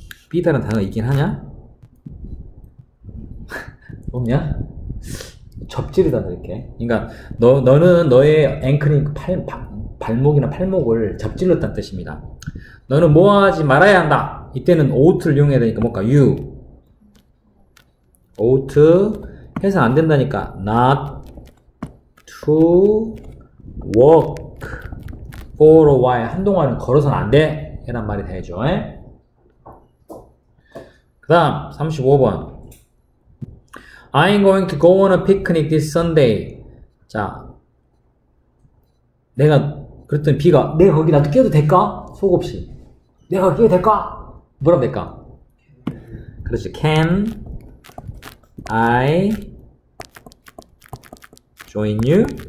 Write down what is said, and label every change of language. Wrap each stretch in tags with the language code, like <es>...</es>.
<ko>삐다는 단어가 있긴 하냐? 없냐? 접지르다 이렇게. 그러니까 너는 너의 앵클이 발목이나 팔목을 접질렀다는 뜻입니다. 너는 뭐 하지 말아야 한다. 이때는 ought를 이용해야 되니까 뭘까?</ko> <en>you ought</en> <ko>해서 안 된다니까</ko> <en>not to walk for a while</en> <ko>한동안은 걸어서는 안 돼. 이란 말이 되죠. 그다음 35번</ko> <en>I'm going to go on a picnic this Sunday.</en> <ko>자, 내가 그랬더니 비가 내 거기 나도 끼어도 될까? 속없이 내가 끼어도 될까? 뭐라고 될까? 그렇지.</ko> <en>Can I join you?</en>